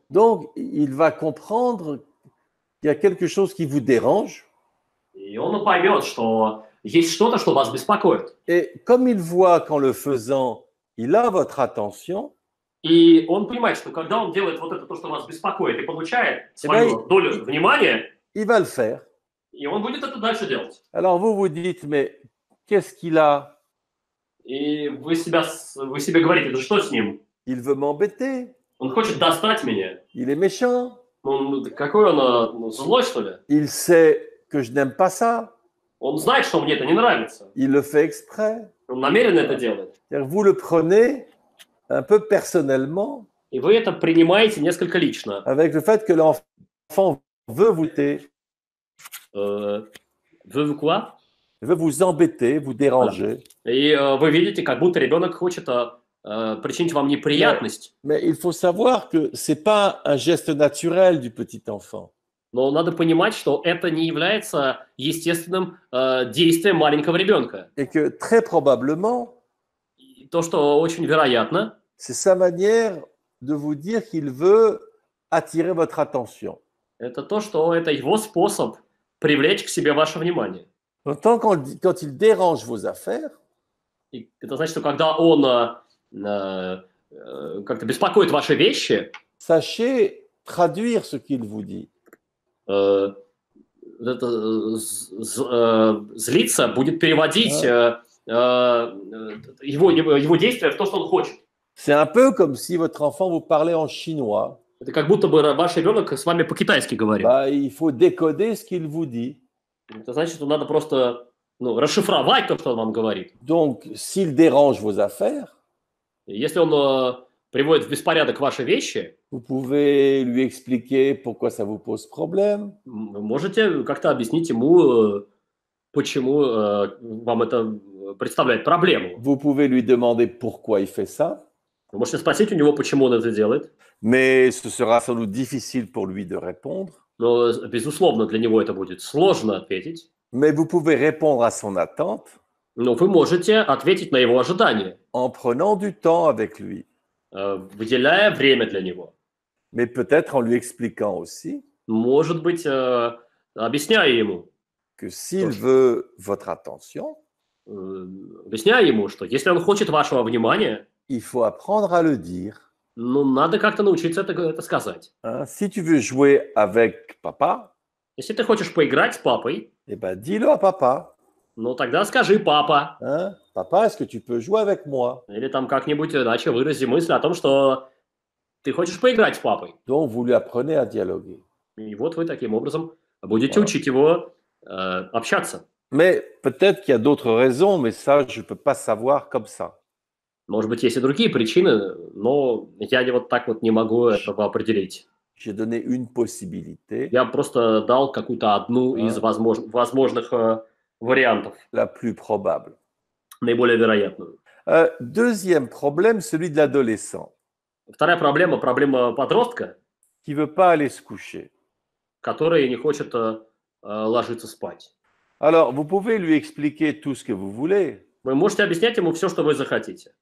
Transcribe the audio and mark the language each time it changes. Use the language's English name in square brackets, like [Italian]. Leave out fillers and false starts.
[French] Donc il va comprendre qu'il y a quelque chose qui vous dérange. Et [Russian] он поймет, что есть что-то, что вас беспокоит. [French] Et comme il voit qu'en le faisant, il a votre attention. [Russian] И он понимает, что когда он делает вот это то, что вас беспокоит, и получает свою долю внимания, [French] il va le faire. [Russian] И он будет это дальше делать. [French] Alors vous vous dites, mais qu'est-ce qu'il a? [Russian] И вы себе говорите, да что с ним? [French] Il veut m'embêter. [Russian] Он хочет достать меня. [French] Il est méchant. [Russian] Какой он злой, что ли? [French] Il sait que je n'aime pas ça. [Russian] Он знает, что мне это не нравится. [French] Il le fait exprès. [Russian] Он намеренно это делает. [French] C'est-à-dire, vous le prenez un peu personnellement. [Russian] И вы это принимаете несколько лично. [French] Avec le fait que l'enfant veut vous tuer. Veut quoi? Il veut vous embêter, vous déranger. Voilà. Et vous [Russian] видите, как будто ребенок хочет причинить вам неприятность. [French] Mais il faut savoir que c'est pas un geste naturel du petit enfant. [Russian] Но надо понимать, что это не является естественным действием маленького ребенка. [French] Et que très probablement. [Russian] То, что очень вероятно. [French] C'est sa manière de vous dire qu'il veut attirer votre attention. [Russian] Это то, что это его способ привлечь к себе ваше внимание. [French] Tant qu'on, quand il dérange vos affaires, [Russian] это значит, что когда он как-то беспокоит ваши вещи, [French] sachez traduire ce qu'il vous dit. [Russian] Это злиться будет переводить его действия в то, что он хочет. [French] C'est un peu comme si votre enfant vous parlait en chinois. [Russian] Это как будто бы ваш ребенок с вами по-китайски говорит. [French] Bah, il faut décoder ce qu'il vous dit. [Russian] Это значит, что надо просто ну, расшифровать то, что он вам говорит. [French] Donc, s'il dérange vos affaires, [Russian] если он приводит в беспорядок ваши вещи, [French] vous pouvez lui expliquer pourquoi ça vous pose problème. [Russian] Вы можете как-то объяснить ему, почему вам это представляет проблему. [French] Vous pouvez lui demander pourquoi il fait ça. [Russian] Вы можете спросить у него, почему он это делает. [French] Mais ce sera sans doute difficile pour lui de répondre. [Russian] Но, безусловно, для него это будет сложно ответить. [French] Mais vous pouvez répondre à son attente. [Russian] Но вы можете ответить на его ожидания. [French] En prenant du temps avec lui. [Russian] Выделяя время для него. [French] Mais peut-être en lui expliquant aussi. [Russian] Может быть, объясняя ему. [French] Que s'il veut votre attention. [Russian] Объясняя ему, что если он хочет вашего внимания. [French] Il faut apprendre à le dire. [Russian] Ну, надо как-то научиться это сказать. [French] Hein? Si tu veux jouer avec papa. [Russian] Если ты хочешь поиграть с папой. [French] Eh ben, dis-le à papa. [Russian] Ну, тогда скажи папа. [French] Hein? Papa, est-ce que tu peux jouer avec moi? [Russian] Или там как-нибудь иначе вырази мысль о том, что ты хочешь поиграть с папой. [French] Donc, vous lui apprenez à dialoguer. [Russian] И вот вы таким образом будете [French] voilà. [Russian] Учить его общаться. [French] Mais peut-être qu'il y a d'autres raisons, mais ça, je ne peux pas savoir comme ça. [Russian] Может быть, есть и другие причины, но я вот так вот не могу этого определить. [French] J'ai donné une possibilité. [Russian] Я просто дал какую-то одну из возможных вариантов. [French] La plus probable. [Russian] Наиболее вероятную. [French] Deuxième problème, celui de l'adolescent. [Russian] Вторая проблема, проблема подростка. [French] Qui veut pas aller se coucher. [Russian] Который не хочет ложиться спать. [French] Alors, vous pouvez lui expliquer tout ce que vous voulez. [Russian] Вы можете объяснять ему все, что вы захотите.